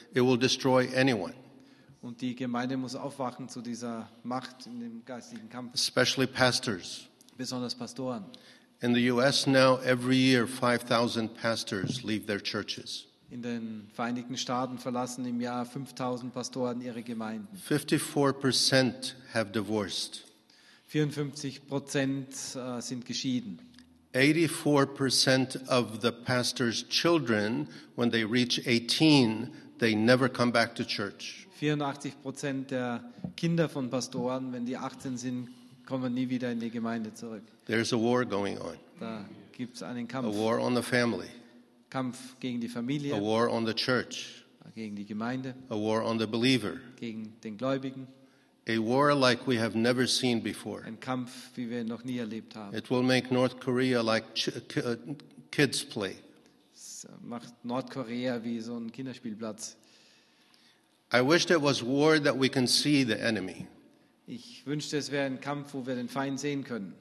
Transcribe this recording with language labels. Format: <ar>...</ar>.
<en>It will destroy anyone.</en> <de>Und die Gemeinde muss aufwachen zu dieser Macht in dem geistlichen Kampf.</de> <en>Especially pastors.</en> <de>Besonders Pastoren.</de> <en>In the US now every year 5000 pastors leave their churches.</en> <de>In den Vereinigten Staaten verlassen im Jahr 5000 Pastoren ihre Gemeinden.</de> <en>54% have divorced.</en> <de>54% sind geschieden.</de> <en>84% of the pastors' children when they reach 18 they never come back to church.</en> <de>84% der Kinder von Pastoren, wenn die 18 sind, kommen nie wieder in die Gemeinde zurück.</de> <en>There's a war going on.</en> <de>Da gibt es einen Kampf.</de> <en>A war on the family.</en> <de>Kampf gegen die Familie.</de> <en>A war on the church.</en> <de>Gegen die Gemeinde.</de> <en>A war on the believer.</en> <de>Gegen den Gläubigen.</de> <en>A war like we have never seen before.</en> <de>Ein Kampf, wie wir noch nie erlebt haben.</de> <en>It will make North Korea like kids play.</en> <de>Es macht Nordkorea wie so ein Kinderspielplatz.</de> <en>I wish it was war that we can see the enemy.</en> <de>Ich wünschte, es wäre ein Kampf, wo wir den Feind sehen können.</de>